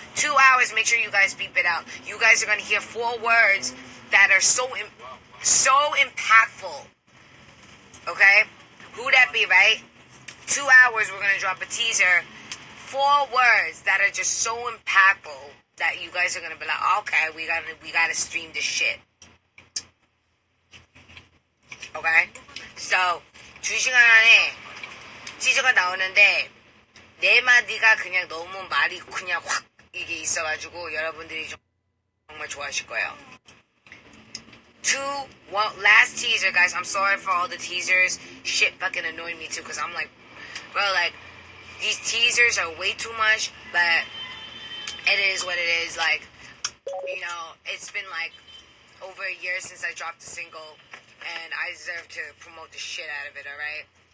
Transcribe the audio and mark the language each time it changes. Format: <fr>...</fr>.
<en>2 hours, make sure you guys beep it out. You guys are gonna hear 4 words that are so impactful. Okay? Who that be, right? 2 hours, we're gonna drop a teaser. 4 words that are just so impactful that you guys are gonna be like, okay, we gotta stream this shit. Okay?</en> <ko>So, 2시간 안에 teaser가 나오는데, 네 마디가 그냥 너무 말이 그냥 확 이게 있어가지고 여러분들이 정말 좋아하실 거예요.</ko> <en>One last teaser, guys. I'm sorry for all the teasers. Shit fucking annoyed me too, because I'm like, bro, like, these teasers are way too much, but it is what it is. Like, you know, it's been like over a year since I dropped a single, and I deserve to promote the shit out of it, all right?</en>